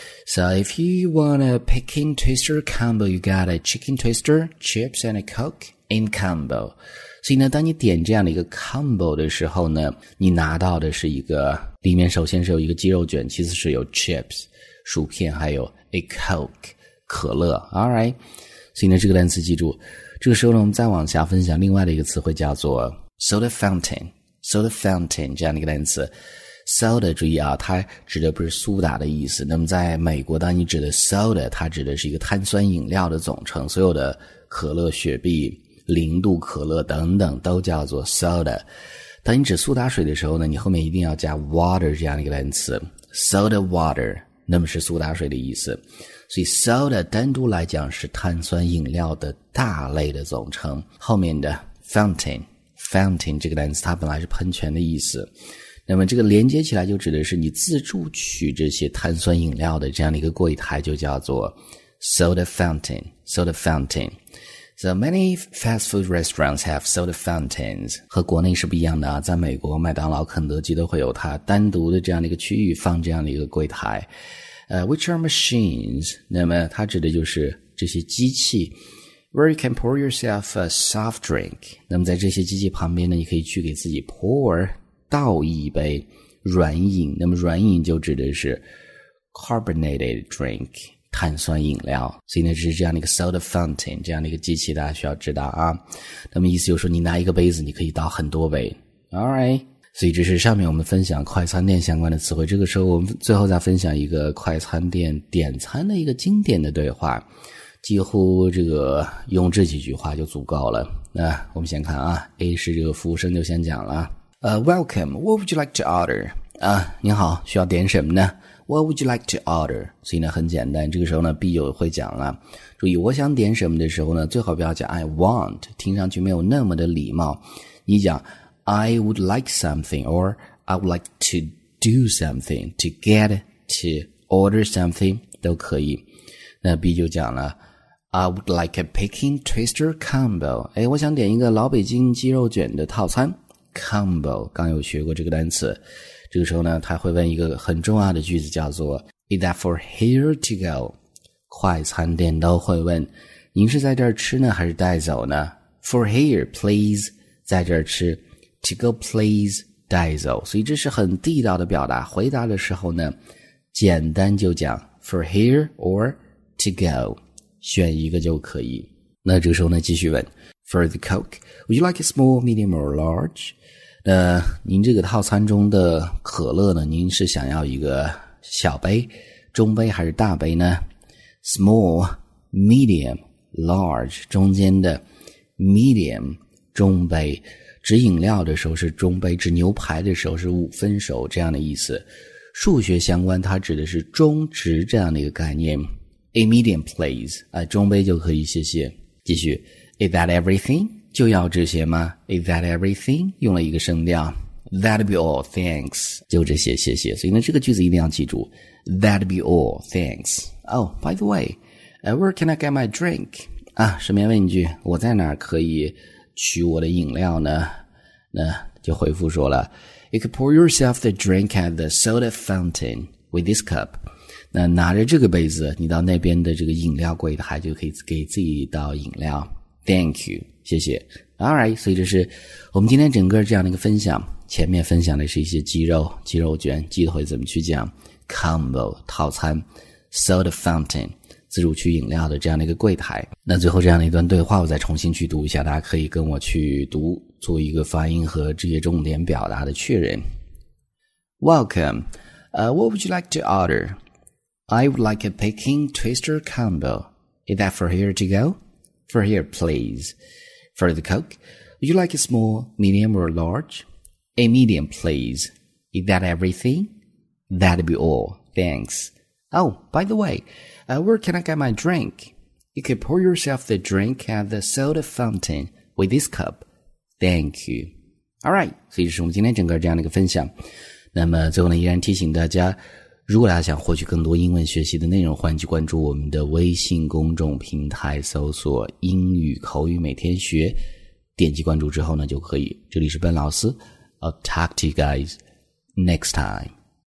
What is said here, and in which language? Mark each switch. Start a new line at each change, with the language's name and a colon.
English: So if you want a Peking Twister combo you got a chicken twister, chips and a cokeIn combo，
Chinese: 所以呢，当你点这样的一个 combo 的时候呢，你拿到的是一个，里面首先是有一个鸡肉卷，其次是有 chips 薯片，还有 a coke 可乐。
English: All right，
Chinese: 所以呢，这个单词记住。这个时候呢，我们再往下分享另外的一个词汇，叫做 soda fountain 这样的一个单词。 soda 注意啊，它指的不是苏打的意思。那么在美国，当你指的 soda， 它指的是一个碳酸饮料的总称，所有的可乐、雪碧、零度可乐等等都叫做 soda。当你指苏打水的时候呢，你后面一定要加 water 这样的一个单词， soda water， 那么是苏打水的意思。所以 soda 单独来讲是碳酸饮料的大类的总称，后面的 fountain 这个单词它本来是喷泉的意思，那么这个连接起来就指的是你自助取这些碳酸饮料的这样的一个柜台，就叫做 soda fountain。
English: So many fast food restaurants have soda fountains.
Chinese: 和国内是不一样的啊，在美国麦当劳肯德基都会有它单独的这样的一个区域放这样的一个柜台。
English: Which are machines?
Chinese: 那么它指的就是这些机器。
English: Where you can pour yourself a soft drink.
Chinese: 那么在这些机器旁边呢，你可以去给自己 pour 倒一杯软饮。那么软饮就指的是 carbonated drink。碳酸饮料，所以呢，这是这样的一个 soda fountain 这样的一个机器，大家需要知道啊。那么意思就是说，你拿一个杯子，你可以倒很多杯。
English: All right，
Chinese: 所以这是上面我们分享快餐店相关的词汇。这个时候，我们最后再分享一个快餐店点餐的一个经典的对话，几乎这个用这几句话就足够了。那我们先看啊 ，A 是这个服务生就先讲了。
English: Welcome. What would you like to order？
Chinese: 啊，你好，需要点什么呢？
English: What would you like to order?
Chinese: 所以呢很简单，这个时候呢 B 友会讲了，注意我想点什么的时候呢最好不要讲
English: I want，
Chinese: 听上去没有那么的礼貌。你讲
English: I would like something or I would like to do something to get to order something
Chinese: 都可以。那 B 就讲了
English: I would like a Peking Twister combo，
Chinese: 诶，我想点一个老北京鸡肉卷的套餐 combo， 刚有学过这个单词。这个时候呢他会问一个很重要的句子叫做
English: Is that for here to go?
Chinese: 快餐店都会问您是在这儿吃呢还是带走呢？
English: For here, please，
Chinese: 在这儿吃。
English: To go, please，
Chinese: 带走。所以这是很地道的表达，回答的时候呢简单就讲
English: for here or to go，
Chinese: 选一个就可以。那这个时候呢继续问
English: for the coke would you like a small, medium or large？
Chinese: 那您这个套餐中的可乐呢，您是想要一个小杯、中杯还是大杯呢？
English: small, medium, large，
Chinese: 中间的 medium， 中杯，指饮料的时候是中杯，指牛排的时候是五分熟，这样的意思。数学相关它指的是中值这样的一个概念。
English: a medium please、
Chinese: 中杯就可以，谢谢。继续
English: is that everything?
Chinese: 就要这些吗？
English: Is that everything?
Chinese: 用了一个声调。
English: That'd be all, thanks.
Chinese: 就这些，谢谢。所以呢，这个句子一定要记住。
English: That'd be all, thanks. Oh, by the way, where can I get my drink?
Chinese: 啊，顺便问一句，我在哪儿可以取我的饮料呢？那就回复说了，
English: You could pour yourself the drink at the soda fountain with this cup.
Chinese: 那拿着这个杯子，你到那边的这个饮料柜台就可以给自己倒饮料。
English: Thank you,
Chinese: 谢谢。
English: Alright,
Chinese: 所以这是我们今天整个这样的一个分享。前面分享的是一些鸡肉、鸡肉卷、鸡腿怎么去讲 ,combo, 套餐 ,soda fountain, 自助区饮料的这样的一个柜台。那最后这样的一段对话我再重新去读一下，大家可以跟我去读，做一个发音和这些重点表达的确认。
English: Welcome, what would you like to order? I would like a Peking Twister combo. Is that for here to go? For here, please. For the Coke, would you like a small, medium, or large? A medium, please. Is that everything? That'd be all. Thanks. Oh, by the way, where can I get my drink? You could pour yourself the drink at the soda fountain with this cup. Thank you. Alright,
Chinese: 所以这是我们今天整个这样的一个分享。那么最后呢，依然提醒大家，如果大家想获取更多英文学习的内容，欢迎去关注我们的微信公众平台，搜索英语口语每天学，点击关注之后呢就可以。这里是Ben老师，
English: I'll talk to you guys next time.